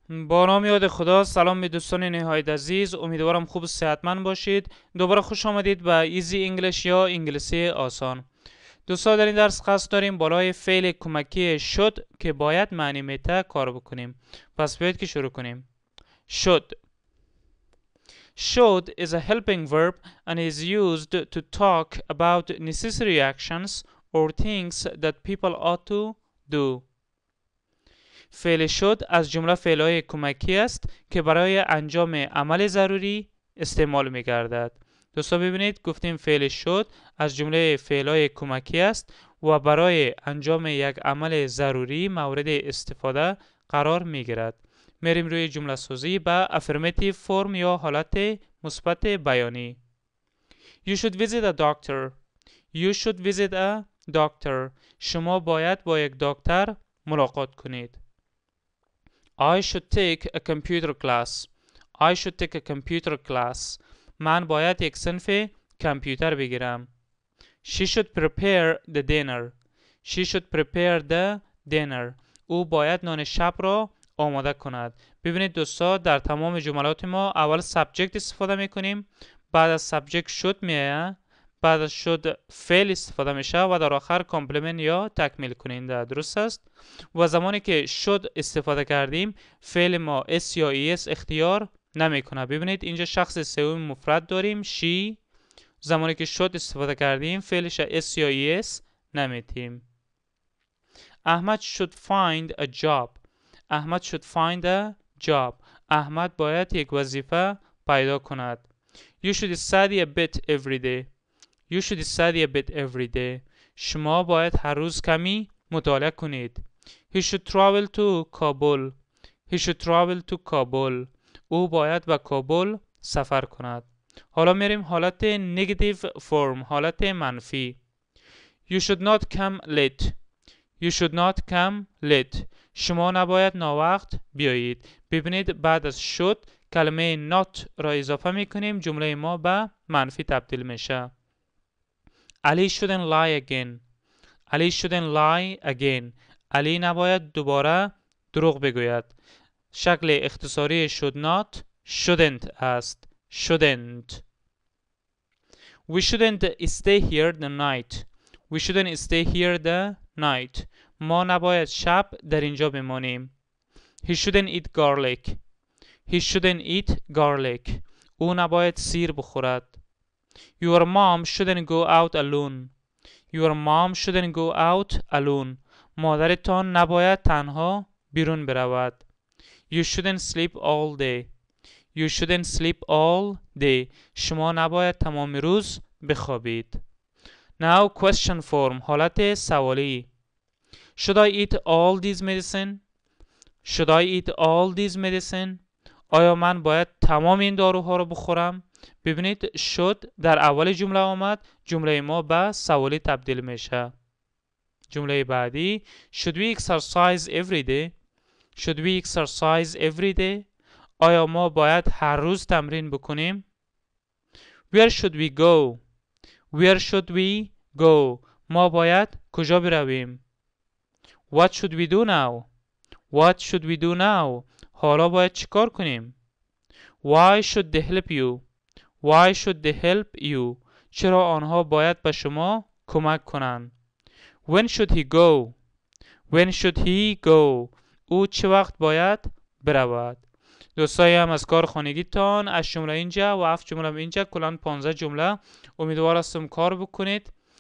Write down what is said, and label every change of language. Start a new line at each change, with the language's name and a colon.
Persian: با نام یاد خدا، سلام به دوستان نهایت عزیز. امیدوارم خوب و صحتمند باشید. دوباره خوش آمدید به ایزی انگلیش یا انگلیسی آسان. دوستان، در این درس قصد داریم بالای فعل کمکی شد که باید معنی میته کار بکنیم. پس بیاید که شروع کنیم. شد.
English: Should is a helping verb and is used to talk about necessary actions or things that people ought to do.
Persian: فعل شد از جمله فعل‌های کمکی است که برای انجام عمل ضروری استعمال می‌گردد. دوستان ببینید، گفتیم فعل شد از جمله فعل‌های کمکی است و برای انجام یک عمل ضروری مورد استفاده قرار می‌گیرد. میریم روی جمله سازی با affirmative form یا حالت مثبت بیانی.
English: You should visit a doctor. You should visit a doctor.
Persian: شما باید با یک دکتر ملاقات کنید.
English: I should take a computer class. I should take a computer class.
Persian: من باید یک صنف کامپیوتر بگیرم.
English: She should prepare the dinner. She should prepare the dinner.
Persian: او باید نان شب را آماده کند. ببینید دوستان، در تمام جملات ما اول سابجکت استفاده میکنیم، بعد از سابجکت شد میآید، بعد از شد فعل استفاده میشه و در آخر کامپلمنت یا تکمیل کننده. درست است؟ و زمانی که شد استفاده کردیم، فعل ما اس یا ای اس اختیار نمیکنه. ببینید اینجا شخص سوم مفرد داریم، شی. زمانی که شد استفاده کردیم، فعلش اس یا ای اس نمیتیم.
English: Ahmad should find a job. Ahmad should find a job.
Persian: احمد باید یک وظیفه پیدا کند.
English: You should study a bit every day. You should study a bit every day.
Persian: شما باید هر روز کمی مطالعه کنید.
English: He should travel to Kabul. He should travel to Kabul.
Persian: او باید به کابل سفر کند. حالا میریم حالت negative form، حالت منفی.
English: You should not come late. You should not come late.
Persian: شما نباید ناوقت بیایید. ببینید بعد از شد کلمه not را اضافه میکنیم، جمله ما به منفی تبدیل میشه.
English: Ali shouldn't lie again. Ali shouldn't lie again.
Persian: علی نباید دوباره دروغ بگوید. شکل اختصاری should not shouldn't است.
English: shouldn't. We shouldn't stay here the night. We shouldn't stay here the night.
Persian: ما نباید شب در اینجا بمانیم.
English: He shouldn't eat garlic. He shouldn't eat garlic.
Persian: او نباید سیر بخورد.
English: Your mom shouldn't go out alone. Your mom shouldn't go out alone.
Persian: مادرتان نباید تنها بیرون برود.
English: You shouldn't sleep all day. You shouldn't sleep all day.
Persian: شما نباید تمام روز بخوابید.
English: Now question form،
Persian: حالت سوالی.
English: Should I eat all these medicine? Should I eat all these medicine?
Persian: آیا من باید تمام این داروها رو بخورم؟ ببینید should در اول جمله آمد، جمله ما به سوالی تبدیل میشه. جمله بعدی
English: Should we exercise every day? Should we exercise every day?
Persian: آیا ما باید هر روز تمرین بکنیم؟
English: Where should we go? Where should we go?
Persian: ما باید کجا برویم؟
English: What should we do now? What should we do now?
Persian: حالا باید چیکار کنیم؟
English: Why should they help you? Why should they help you?
Persian: چرا آنها باید به شما کمک کنند؟
English: When should he go? When should he go?
Persian: او چه وقت باید برود؟ دوستای هم از کار خانگیتان، از جمله اینجا و هفت جمله اینجا، کلا 15 جمله، امیدوار هستم کار بکنید.